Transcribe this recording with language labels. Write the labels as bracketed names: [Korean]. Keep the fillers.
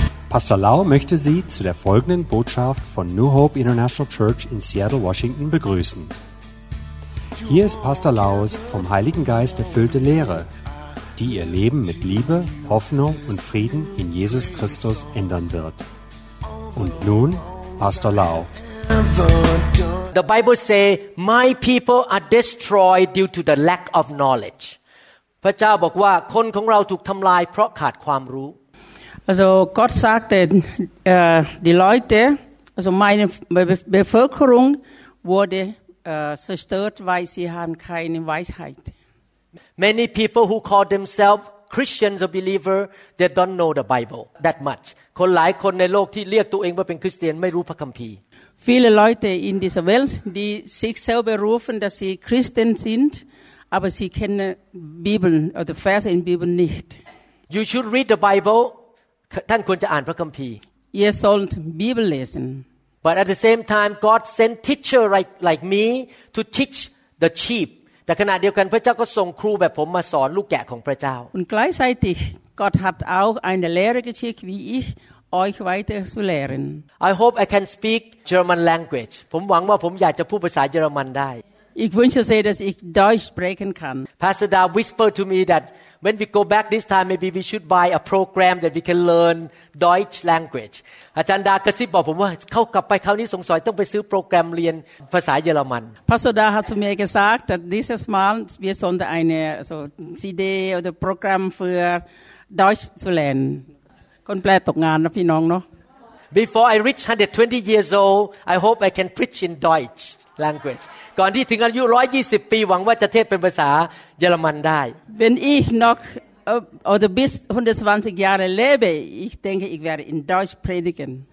[German] Pastor Lau möchte Sie zu der folgenden Botschaft von New Hope International Church in Seattle, Washington begrüßen. Hier ist Pastor Laus vom Heiligen Geist erfüllte Lehre, die Ihr Leben mit Liebe, Hoffnung und Frieden in Jesus Christus ändern wird. Und nun Pastor Lau. [English] The Bible say my people are destroyed due to the lack of knowledge [Thai] พระเจ้าบอกว่าคนของเราถูกทำลายเพราะขาดความรู้ [German] Also Gott sagte, äh, die Leute, also meine Be Bevölkerung wurde äh, zerstört, weil sie haben keine Weisheit. [English] many people who call themselves Christians or believer they don't know the Bible that much [Thai] คนหลายคนในโลกที่เรียกตัวเองว่าเป็นคริสเตียนไม่รู้พระคัมภีร์ [German] Viele Leute in dieser Welt, die sich selber rufen, dass sie Christen sind, aber sie kennen Bibeln oder Verse in Bibeln nicht. [English] you should read the Bible [Thai] ท่านควรจะอ่านพระคัมภีร์ [German] Ihr sollt Bibel lesen. [English] But at the same time, God sent teacher like, like me to teach the sheep. [Thai] แต่ขณะเดียวกันพระเจ้าก็ส่งครูแบบผมมาสอนลูกแกะของพระเจ้า [German] Und gleichzeitig, Gott hat auch eine Lehre geschickt, wie ich, euch weiter zu lehren. [English] I hope I can speak German language [Thai] ผมหวังว่าผมอยากจะพูดภาษาเยอรมันได้ [German] Ich wünsche sehr, dass ich Deutsch sprechen kann. [English] Pastor Da whispered to me that when we go back this time maybe we should buy a program that we can learn Deutsch language [Thai] อาจารย์ดากระซิบบอกผมว่าเข้ากลับไปคราวนี้สงสัยต้องไปซื้อโปรแกรมเรียนภาษาเยอรมัน [German] Pastor da hat zu mir gesagt, dass dieses Mal wir sollten eine also, CD oder Programm für Deutsch zu lernen. [Thai] คนแปลตกงานนะพี่น้องเนาะ [English] Before I reach 120 years old, I hope I can preach in Deutsch language. [Thai] ก่อนที่ถึงอายุ 120 ปีหวังว่าจะเทศเป็นภาษาเยอรมันได้ [German] Wenn ich noch äh, oder bis 120 Jahre lebe, ich denke, ich werde in Deutsch predigen.